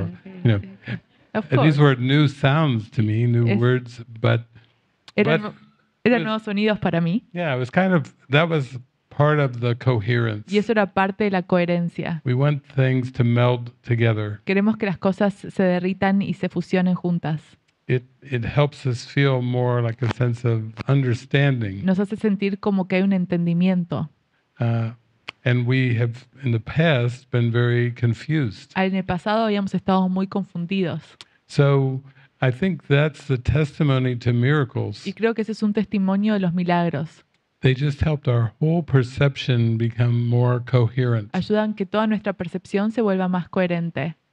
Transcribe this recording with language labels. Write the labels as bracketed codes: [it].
[en] You know, these were new sounds to me, new words, but. [es] Eran nuevos sonidos para mí. [en] Yeah, it was kind of that was part of the coherence. [es] Y eso era parte de la coherencia. [en] We want things to meld together. [es] Queremos que las cosas se derritan y se fusionen juntas. [en] It helps us feel more like a sense of understanding. [es] Nos hace sentir como que hay un entendimiento. [en] And we have in the past been very confused. [es] En el pasado habíamos estado muy confundidos. [en] So I think that's the testimony to miracles. [es] Y creo que ese es un testimonio de los milagros. [en] They just helped our whole perception become more coherent. [es] Ayudan que toda nuestra percepción se vuelva más coherente.